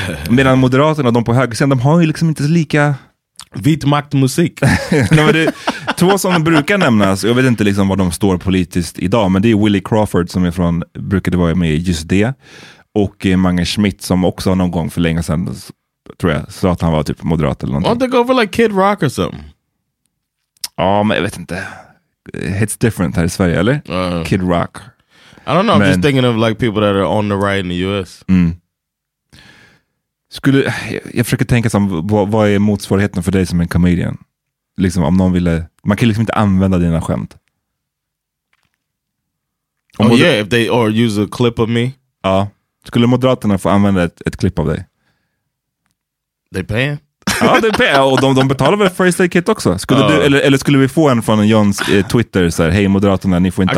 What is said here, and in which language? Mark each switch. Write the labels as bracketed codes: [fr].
[sv] Medan Moderaterna, de på högersidan, de har ju liksom inte lika... Vit maktmusik. Två som brukar nämnas, jag vet inte liksom var de står politiskt idag, men det är Willie Crawford som är från, brukade vara med i Just Det, och Mange Schmidt som också någon gång för länge sedan, tror jag, sa att han var typ moderat eller någonting. [en] Why don't they go for like Kid Rock or something? [sv] Ja, men jag vet inte. [en] It's different [sv] här i Sverige, eller? Kid Rock. [en] I don't know, I'm just thinking of like people that are on the right in the US. Mm. [sv] Jag försöker tänka som, vad är motsvarigheten för dig som en comedian? Liksom, om någon ville... Man kan liksom inte använda dina skämt. [en] If they or use a clip of me. [sv] Ja. Skulle Moderaterna få använda ett klipp av dig? [en] They pay. [sv] Ja, det är PR. Och de betalar väl First Aid Kit också? Skulle du, eller skulle vi få en från Jons Twitter så här, hej Moderaterna, ni får inte